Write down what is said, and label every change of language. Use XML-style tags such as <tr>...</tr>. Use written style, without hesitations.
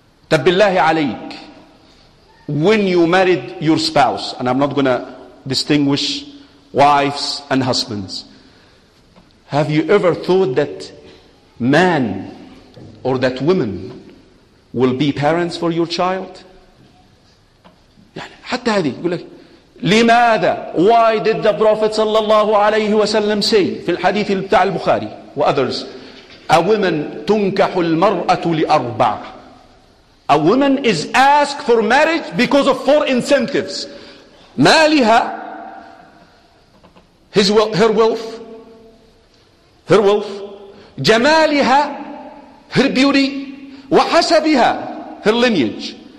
<en>Tabillahi alayk. When you married your spouse, and I'm not going to distinguish wives and husbands, have you ever thought that man or that woman will be parents for your child?</en> <ar>حتى هذه يقول لك لماذا؟</ar> <en>Why did the Prophet</en> <ar>صلى الله عليه وسلم</ar> <en>say</en> <ar>في الحديث بتاع البخاري و</ar> <en>others, a woman</en> <ar>تنكح المرأة لأربع.</ar> <en>A woman is asked for marriage because of four incentives.</en> <ar>مالها,</ar> <en>her wealth,</en> <ar>جمالها,</ar> <en>her beauty,</en> <ar>وحسبها,</ar> <en>her lineage.</en>